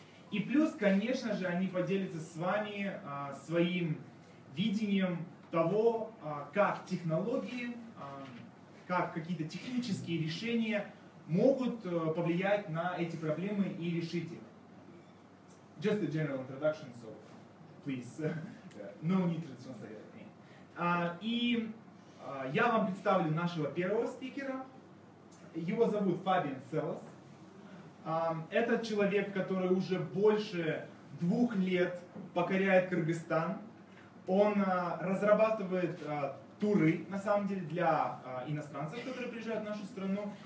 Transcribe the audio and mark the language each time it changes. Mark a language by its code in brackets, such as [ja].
[ru] И плюс, конечно же, они поделятся с вами своим видением того, как технологии, как какие-то технические решения могут повлиять на эти проблемы и решить их. [en] Just a general introduction, so please, no need to translate me. [ru] И я вам представлю нашего первого спикера. Его зовут Фабиан Селлас. Этот человек, который уже больше 2 лет покоряет Кыргызстан. Он разрабатывает туры, на самом деле, для иностранцев, которые приезжают в нашу страну.